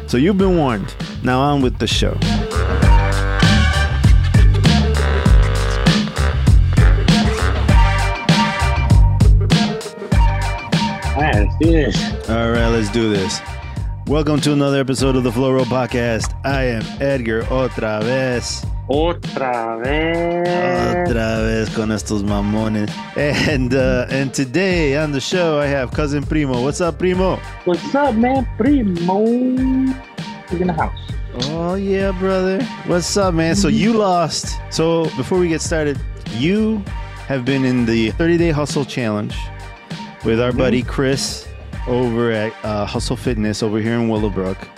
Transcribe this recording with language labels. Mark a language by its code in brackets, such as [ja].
[en] So you've been warned. Now on with the show. Yes. All right, let's do this. Welcome to another episode of the Flow Roll Podcast. I am [es] Edgar Otra vez con estos mamones. [en] And today on the show, I have Cousin Primo. What's up, Primo? What's up, man? Primo is in the house. Oh, yeah, brother. What's up, man? So you lost. So before we get started, you have been in the 30-day hustle challenge with our buddy Chris over at Hustle Fitness over here in Willowbrook.